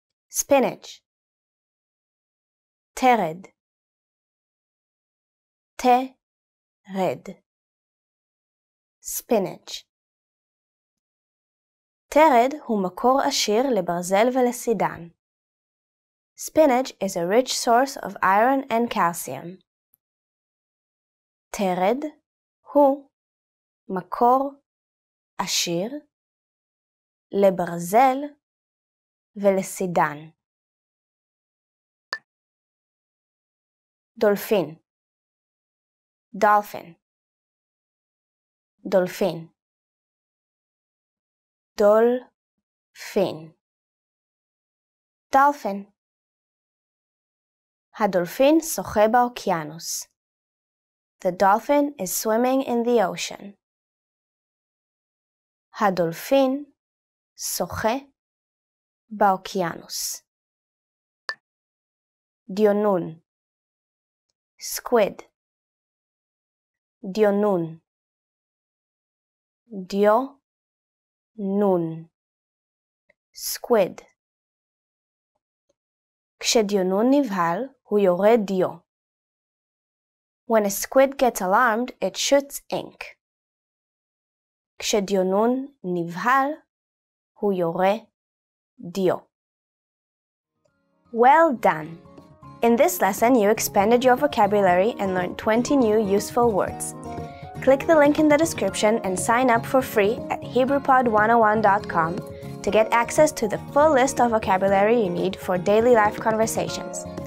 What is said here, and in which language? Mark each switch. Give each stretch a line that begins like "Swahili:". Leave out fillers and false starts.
English: Spinach.
Hebrew: תרד. תרד.
English: Spinach.
Hebrew: תרד הוא מקור עשיר לברזל ולסידן.
English: Spinach is a rich source of iron and calcium.
Hebrew: תרד הוא מקור עשיר לברזל ולסידן. דולפין.
English: Dolphin.
Hebrew: דולפין. דולפין. דולפין. הדולפין שוחה באוקיינוס.
English: The dolphin is swimming in the ocean.
Hebrew: הדולפין שוחה באוקיינוס. דיונון.
English: Squid.
Hebrew: דיונון. דיו נון.
English: Squid.
Hebrew: כשדיונון נבהל, הוא יורד דיו.
English: When a squid gets alarmed, it shoots ink.
Hebrew: כשדיונון נבהל, הוא יורד דיו.
English: Well done! In this lesson, you expanded your vocabulary and learned 20 new useful words. Click the link in the description and sign up for free at HebrewPod101.com to get access to the full list of vocabulary you need for daily life conversations.